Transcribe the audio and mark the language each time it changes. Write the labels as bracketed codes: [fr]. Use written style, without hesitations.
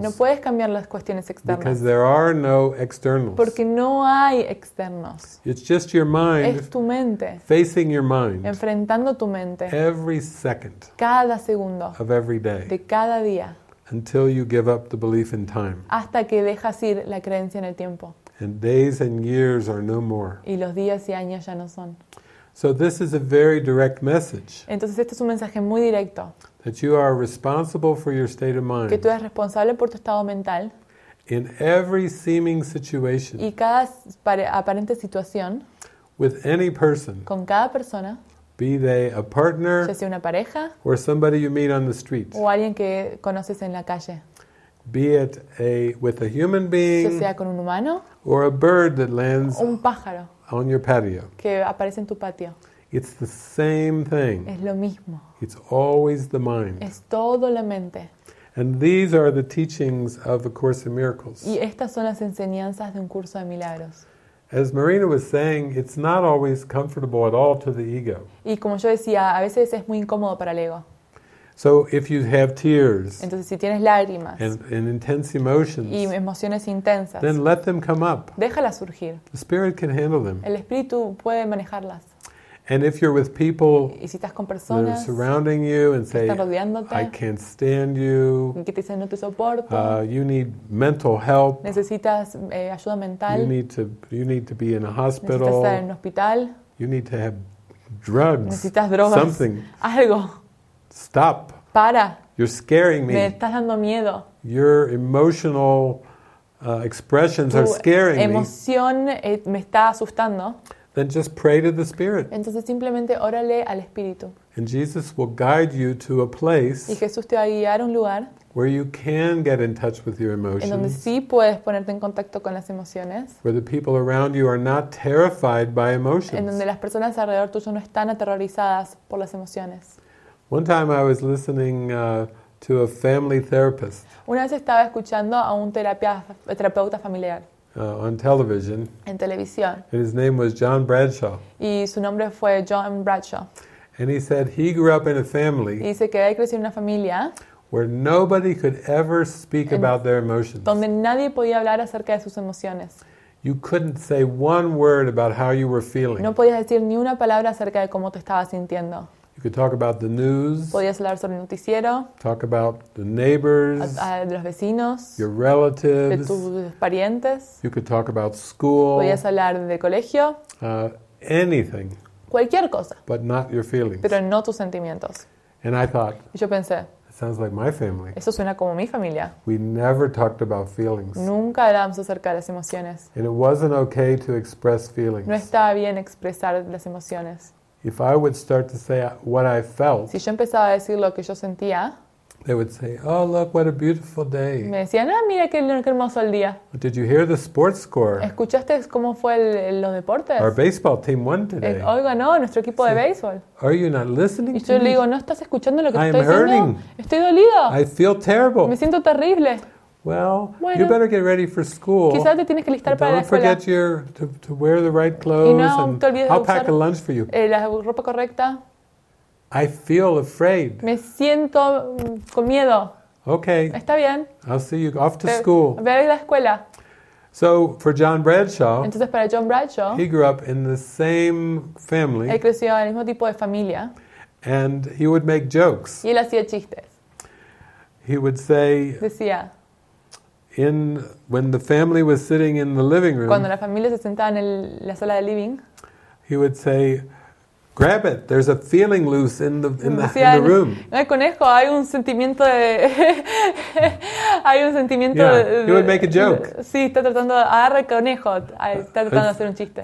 [es] No puedes cambiar las cuestiones externas. [en] Because there are no externals. [es] Porque no hay externos. [en] It's just your mind. [es] Es tu mente. [en] Facing your mind. [es] Enfrentando tu mente. [en] Every second. [es] Cada segundo. [en] Of every day. [es] De cada día. [en] Until you give up the belief in time. [es] Hasta que dejas ir la creencia en el tiempo. [en] And days and years are no more. [es] Y los días y años ya no son. [en] So this is a very direct message. [es] Entonces este es un mensaje muy directo. [en] That you are responsible for your state of mind. [es] Que tú eres responsable por tu estado mental. [en] In every seeming situation. [es] Y cada aparente situación. [en] With any person. [es] Con cada persona. [en] Be they a partner. [es] Ya sea una pareja. [en] Or somebody you meet on the street. [es] O alguien que conoces en la calle. [en] Be it with a human being. [es] Ya sea con un humano. [en] Or a bird that lands. [es] Un pájaro. [en] On your patio. [es] Que aparece en tu patio. [en] It's the same thing. [es] Es lo mismo. [en] It's always the mind. [es] Es todo la mente. [en] And these are the teachings of A Course in Miracles. [es] Y estas son las enseñanzas de Un Curso de Milagros. [en] As Marina was saying, it's not always comfortable at all to the ego. [es] Y como yo decía, a veces es muy incómodo para el ego. [en] So if you have tears, [es] entonces si tienes lágrimas, [en] and intense emotions, [es] y emociones intensas, [en] then let them come up. [es] Déjalas surgir. [en] The spirit can handle them. [es] El espíritu puede manejarlas. [en] And if you're with people, [es] y si estás con personas, [en] that are surrounding you and say, I can't stand you, [es] que te dicen, no te soporto, [en] you need mental help, [es] necesitas ayuda mental, [en] you need to be in a hospital, [es] necesitas estar en un hospital, [en] you need to have drugs, [es] necesitas drogas, [en] something, [es] algo. [en] Stop. [es] Para. [en] You're scaring me. [es] Me estás dando miedo. [en] Your emotional expressions [es] tu [en] are scaring [es] emoción [en] me. [es] Me está asustando. [en] Then just pray to the Spirit. [es] Entonces simplemente órale al Espíritu. [en] And Jesus will guide you to a place. [es] Y Jesús te va a guiar a un lugar. [en] Where you can get in touch with your emotions. [es] En donde sí puedes ponerte en contacto con las emociones. [en] Where the people around you are not terrified by emotions. [es] En donde las personas alrededor tuyo no están aterrorizadas por las emociones. [en] One time I was listening to a family therapist. [es] Una vez estaba escuchando a un terapeuta familiar. [en] On television. [es] En televisión. [en] And his name was John Bradshaw. [es] Y su nombre fue John Bradshaw. [en] And he said he grew up in a family. [es] Y dice que él creció en una familia. [en] Where nobody could ever speak about their emotions. [es] Donde nadie podía hablar acerca de sus emociones. [en] You couldn't say one word about how you were feeling. [es] No podías decir ni una palabra acerca de cómo te estabas sintiendo. [en] You could talk about the news. [es] Podías hablar sobre el noticiero. [en] Talk about the neighbors. [es] De los vecinos. [en] Your relatives. [es] De tus parientes. [en] You could talk about school. [es] Podías hablar del colegio. [en] Anything. [es] Cualquier cosa. [en] But not your feelings. [es] Pero no tus sentimientos. [en] And I thought. [es] Y yo pensé. [en] It sounds like my family. [es] Eso suena como mi familia. [en] We never talked about feelings. [es] Nunca hablamos acerca de las emociones. [en] And it wasn't okay to express feelings. [es] No estaba bien expresar las emociones. [en] If I would start to say what I felt, [es] si yo empezaba a decir lo que yo sentía, [en] they would say, "Oh, look, what a beautiful day." [es] Me decían, "Ah, mira qué hermoso el día." [en] But did you hear the sports score? [es] ¿Escuchaste cómo fue los deportes? [en] Our baseball team won today. [es] Oiga, no, nuestro equipo de béisbol. [en] Are you not listening to me? [es] Y yo le digo, ¿no estás escuchando lo que estoy diciendo? [en] I'm hurting. [es] Estoy dolido. [en] I feel terrible. [es] Me siento terrible. [en] Well, bueno, you better get ready for school. [es] Quizás te tienes que listar para la escuela. [en] Don't forget to wear the right clothes. [es] Y no te olvides de [en] usar. I'll pack a lunch for you. [es] La ropa correcta. [en] I feel afraid. [es] Me siento con miedo. [en] Okay. [es] Está bien. [en] I'll see you off to school. [es] Ve a la escuela. [en] So for John Bradshaw. [es] Entonces para John Bradshaw. [en] He grew up in the same family. [es] Él creció en el mismo tipo de familia. [en] And he would make jokes. [es] Y él hacía chistes. [en] He would say. [es] Decía. [en] When the family was sitting in the living room, [es] cuando la familia se sentaba en la sala de living, [en] he would say, "Grab it. There's a feeling loose in the room." [es] Ay, conejo, hay un sentimiento de hay un sentimiento. [en] Yeah, he would make a joke. [es] Sí, está tratando de agarrar conejo. Está tratando de hacer un chiste.